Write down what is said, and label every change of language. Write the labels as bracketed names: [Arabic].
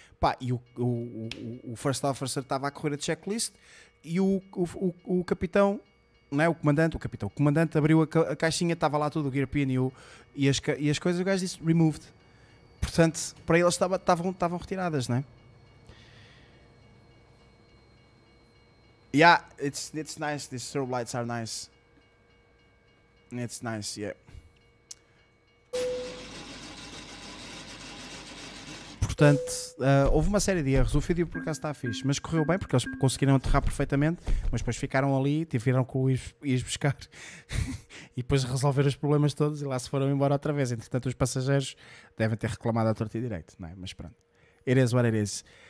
[Portuguese] Pá, e o first officer estava a correr a checklist e o capitão... Não é? o comandante abriu a caixinha, estava lá tudo, o gear pin e as coisas, o gajo disse removed, portanto para eles estavam retiradas, não é? [English] Yeah, it's nice, these strobe lights are nice, it's nice, yeah. [Portuguese] Portanto, houve uma série de erros. O vídeo por acaso está fixe, mas correu bem porque eles conseguiram aterrar perfeitamente, mas depois ficaram ali, tiveram que o ir buscar e depois resolver os problemas todos e lá se foram embora outra vez. Entretanto, os passageiros devem ter reclamado à torta e direito, não é? Mas pronto. [English] It is what it is.